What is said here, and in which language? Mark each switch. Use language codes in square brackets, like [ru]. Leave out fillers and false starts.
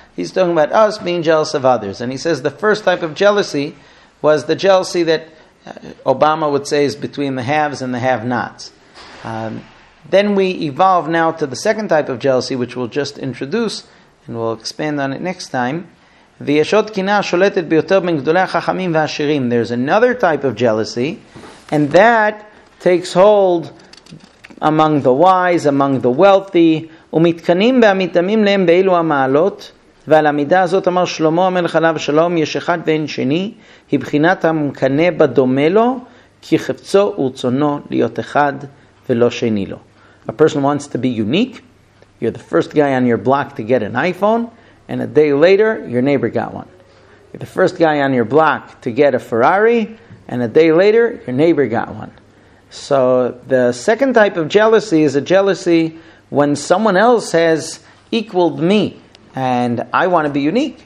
[en] He's talking about us being jealous of others. And he says the first type of jealousy was the jealousy that Obama would say is between the haves and the have-nots. Then we evolve now to the second type of jealousy, which we'll just introduce, and we'll expand on it next time. [he] ויש עוד קנאה שולטת ביותר בין גדולי החכמים והעשירים. [en] There's another type of jealousy, and that takes hold among the wise, among the wealthy. [he] ומתקנים והמתאמים להם באילו המעלות, ועל המידה הזאת אמר שלמה המלך עליו שלום, יש אחד ואין שני, היא בחינת המקנה בדומה לו, כי חפצו ורצונו להיות אחד ולא שני לו. [en] A person wants to be unique. You're the first guy on your block to get an iPhone. And a day later, your neighbor got one. You're the first guy on your block to get a Ferrari, and a day later, your neighbor got one. So the second type of jealousy is a jealousy when someone else has equaled me, and I want to be unique.